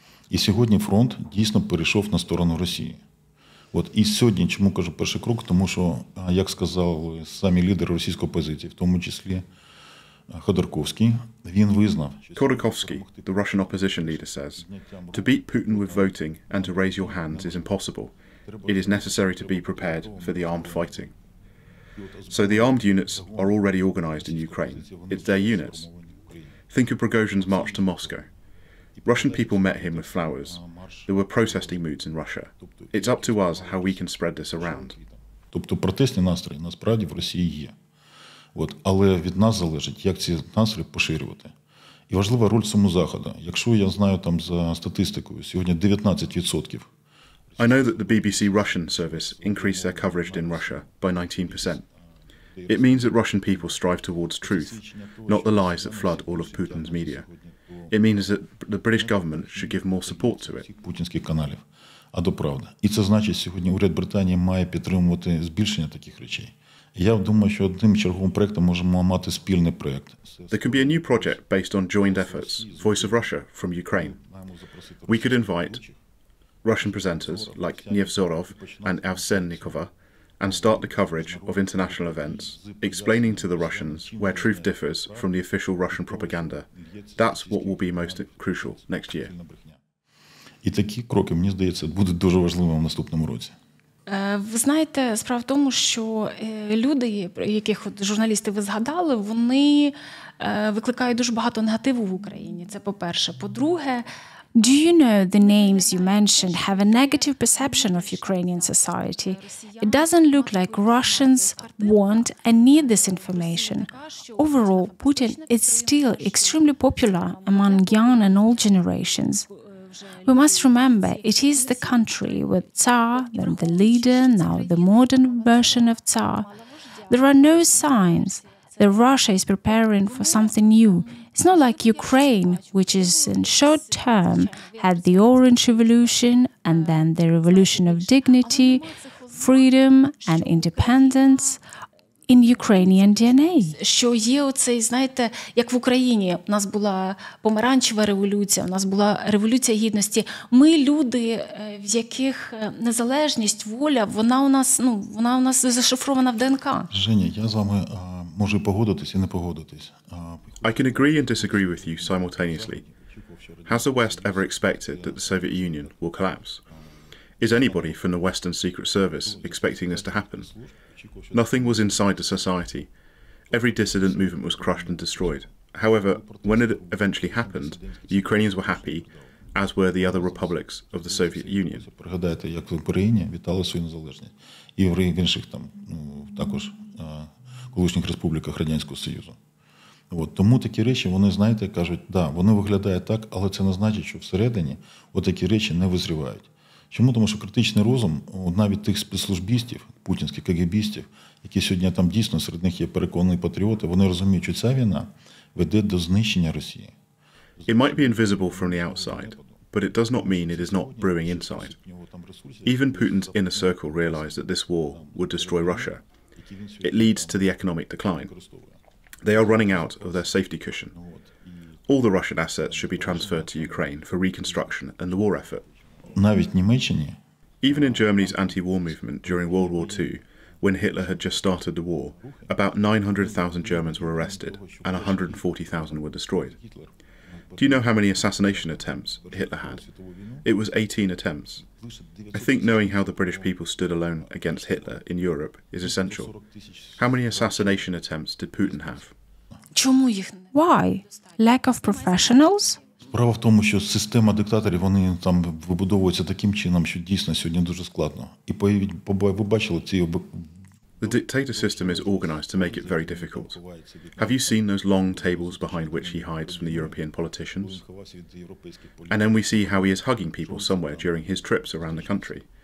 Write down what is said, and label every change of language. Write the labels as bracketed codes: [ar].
[uk] І сьогодні фронт дійсно перейшов на сторону Росії. От і сьогодні чому кажу перший крок, тому що, як сказали самі лідери російської опозиції, в тому числі Ходорковський, він визнав, [en] Ходорковський, the Russian opposition leader says, to beat Putin with voting and to raise your hands is impossible. It is necessary to be prepared for the armed fighting. So the armed units are already organized in Ukraine. It's their units. Think of Prigozhin's march to Moscow. Russian people met him with flowers. There were protesting moods in Russia. It's up to us how we can spread this around. [uk] Тобто протестні настрої насправді в Росії є. От, але від нас залежить, як ці настрої поширювати. І важлива роль цьому заходу. Якщо я знаю там за статистикою, сьогодні 19%. [en] I know that the BBC Russian service increased their coverage in Russia by 19%. It means that Russian people strive towards truth, not the lies that flood all of Putin's media. It means that the British government should give more support to it. [uk] Путінських каналів, а до правди. І це значить, сьогодні уряд Британії має підтримувати збільшення таких речей. Я думаю, що одним черговим проектом можемо мати спільний проект. [en] There could be a new project based on joint efforts, Voice of Russia from Ukraine. We could invite Russian presenters like Nevzorov and Avsennikova and start the coverage of international events, explaining to the Russians where truth differs from the official Russian propaganda. That's what will be most crucial next year. [uk] І такі кроки, мені здається, будуть дуже важливими в наступному році. Ви знаєте, справа в тому, що люди, яких от журналісти ви згадали, вони викликають дуже багато негативу в Україні. Це по-перше. По-друге, [en] do you know the names you mentioned have a negative perception of Ukrainian society? It doesn't look like Russians want and need this information. Overall, Putin is still extremely popular among young and old generations. We must remember, it is the country with Tsar, then the leader, now the modern version of Tsar. There are no signs that Russia is preparing for something new. It's not like Ukraine, which is in short term, had the Orange Revolution and then the Revolution of Dignity, Freedom and Independence in Ukrainian DNA. [uk] Що є оцей, знаєте, як в Україні, у нас була помаранчева революція, у нас була революція гідності. Ми люди, в яких незалежність, воля, вона у нас зашифрована в ДНК. Женя, я з вами можу погодитись і не погодитись. [en] I can agree and disagree with you simultaneously. Has the West ever expected that the Soviet Union will collapse? Is anybody from the Western Secret Service expecting this to happen? Nothing was inside the society. Every dissident movement was crushed and destroyed. However, when it eventually happened, the Ukrainians were happy, as were the other republics of the Soviet Union. [uk] Пригадайте, як в Україні вітали свою незалежність, і в інших там, також колишніх республіках Радянського Союзу. От тому такі речі, вони, знаєте, кажуть, да, вони виглядають так, але це не значить, що всередині отакі речі не визрівають. Чому? Тому що критичний розум навіть тих спецслужбістів, путінських КГБістів, які сьогодні там дійсно серед них є переконані патріоти, вони розуміють, що ця війна веде до знищення Росії. [en] It might be invisible from the outside, but it does not mean it is not brewing inside. Even Putin's inner circle realized that this war would destroy Russia. It leads to the economic decline. They are running out of their safety cushion. All the Russian assets should be transferred to Ukraine for reconstruction and the war effort. [uk] Навіть Німеччині. [en] Even in Germany's anti-war movement during World War II, when Hitler had just started the war, about 900,000 Germans were arrested and 140,000 were destroyed. Do you know how many assassination attempts Hitler had? It was 18 attempts. I think knowing how the British people stood alone against Hitler in Europe is essential. How many assassination attempts did Putin have? Why? Lack of professionals? [uk] Справа в тому, що система диктаторів, вони там вибудовуються таким чином, що дійсно сьогодні дуже складно. І ви бачили ці... [en] The dictator system is organized to make it very difficult. Have you seen those long tables behind which he hides from the European politicians? And then we see how he is hugging people somewhere during his trips around the country.